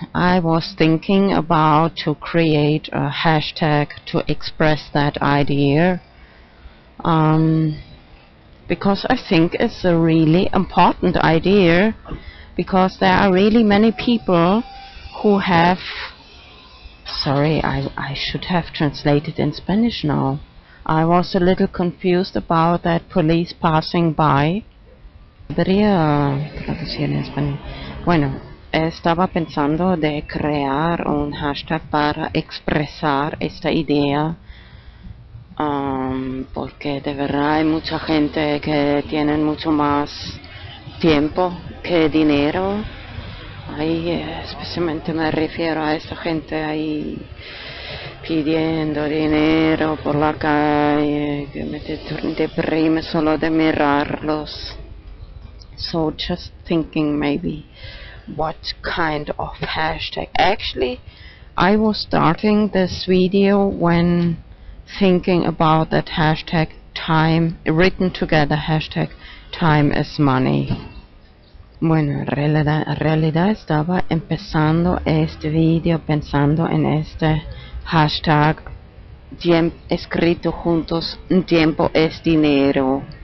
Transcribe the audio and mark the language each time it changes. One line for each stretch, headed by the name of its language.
English: I was thinking about to create a hashtag to express that idea, because I think it's a really important idea, because there are really many people who have... Sorry, I should have translated in Spanish now. I was a little confused about that police passing by.
Spanish: Podría traducir en español. Bueno, estaba pensando de crear un hashtag para expresar esta idea. Porque de verdad hay mucha gente que tienen mucho más tiempo que dinero. Ahí especialmente me refiero a esta gente ahí pidiendo dinero por la calle, que me deprime solo de mirarlos.
English: So just thinking maybe what kind of hashtag. Actually, I was starting this video when thinking about that hashtag time, written together hashtag time is money.
Spanish: Bueno, en realidad estaba empezando este video pensando en este hashtag escrito juntos, tiempo es dinero.